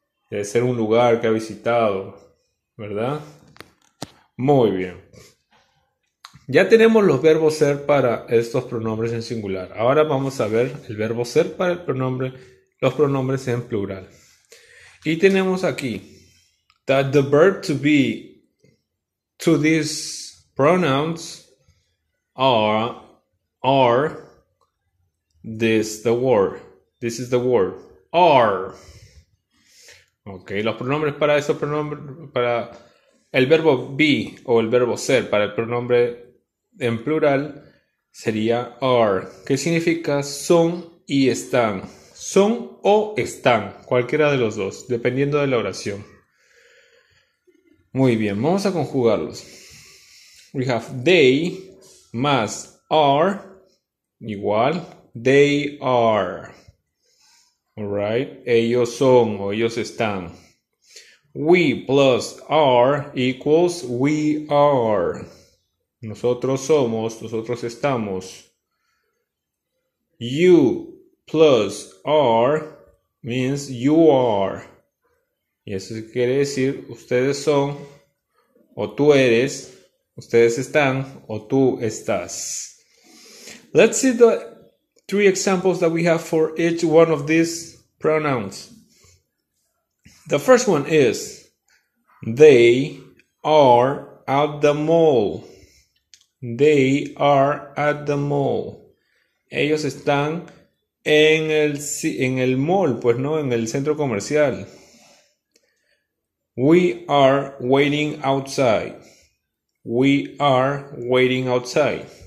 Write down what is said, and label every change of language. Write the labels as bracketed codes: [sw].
[es] Debe ser un lugar que ha visitado, ¿verdad? Muy bien. Ya tenemos los verbos ser para estos pronombres en singular. Ahora vamos a ver el verbo ser para el pronombre, los pronombres en plural. Y tenemos aquí, [en] that the verb to be to these pronouns are this the word. This is the word. Are. [es] Okay, los pronombres para esos pronombres, para el verbo be o el verbo ser para el pronombre en plural sería are, que significa son y están. Son o están, cualquiera de los dos, dependiendo de la oración. Muy bien, vamos a conjugarlos. [en] We have they [es] más are igual [en] they are. All right, [es] ellos son o ellos están. [en] We plus are equals we are. [es] Nosotros somos, nosotros estamos. [en] You plus are means you are. [es] Y eso quiere decir ustedes son, o tú eres, ustedes están, o tú estás. [en] Let's see the three examples that we have for each one of these pronouns. The first one is, they are at the mall. They are at the mall. [es] Ellos están en el mall, pues no, en el centro comercial. [en] We are waiting outside. We are waiting outside.